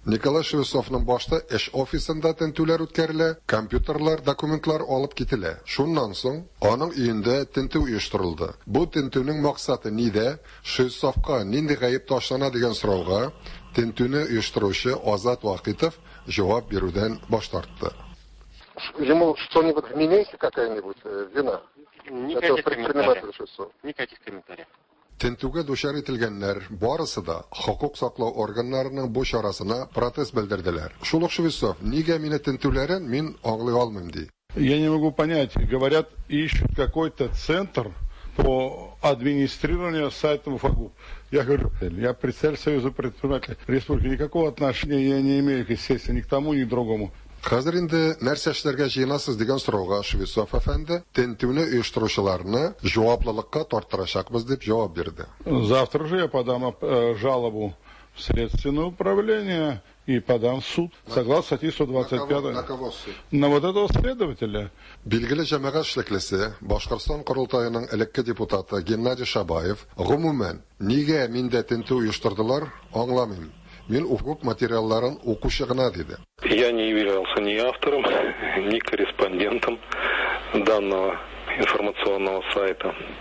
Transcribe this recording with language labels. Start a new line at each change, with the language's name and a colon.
Tatar: Николай Шевцовның башта эш офисында тентүләр үткәрелә, компьютерлар, документлар алып китәлә. Шуннан соң аның өендә тенту оештырылды. Бу тентуның максаты нидә? Шевцовка нинди гаеп ташлана дигән сорауга тентуны оештыручы Азат Вахитов җавап бирүдән баш тартты.
Russian: Ему что-нибудь вменяется какая-нибудь вина? Никаких комментариев. Никаких комментариев.
Tatar: Тентуга душар ителгәннәр барысы да хокук саклау органнарының бу чарасына протест белдерделәр. Шулык Шевцов, нигә мине тентуларын мин аңлый алмыйм ди.
Russian: Я не могу понять. Говорят, ищут какой-то центр по администрированию сайта УФАГУ. Я говорю, я представитель Союза предпринимателей республики. Никакого отношения я не имею, естественно, ни к тому, ни к другому.
Tatar: Хәзер инде нәрсә эшләргә җыенасыз дигән сорауга Швецов әфәнде тентүне оештыручыларны җаваплылыкка тарттырачакбыз дип җавап бирде.
Russian: Завтра же я подам жалобу в следственное управление и подам в суд. Согласно статье 125. На кого суд? На вот этого следователя.
Tatar: Билгеле җәмәгать эшлеклесе, Башкортстан корылтаеның элекке депутаты Геннадий Шабаев, гомумән, нигә миндә тентү оештырдылар, аңламыйм. Мин укуп материалларын укучы гына диде.
Russian: Я не являлся ни автором, ни корреспондентом данного информационного сайта.